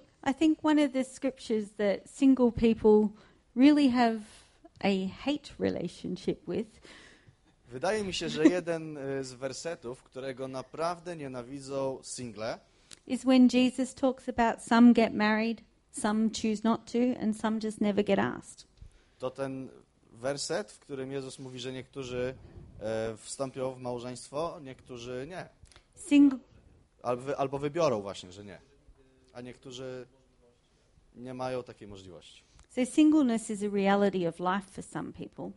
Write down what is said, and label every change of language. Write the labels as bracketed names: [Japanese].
[English] I think one of the scriptures that single people really have a hate relationship with. [Polish] Wydaje mi się, że jeden z wersetów, którego naprawdę nienawidzą single, [English] is when Jesus talks about some get married, some choose not to, and some just never get asked. [Polish] To ten werset, w którym Jezus mówi, że niektórzy wstąpią w małżeństwo, niektórzy nie. [English] Single. [Polish] Albo wybiorą właśnie, że nie. A niektórzy nie mają takiej możliwości. [English] So singleness is a reality of life for some people.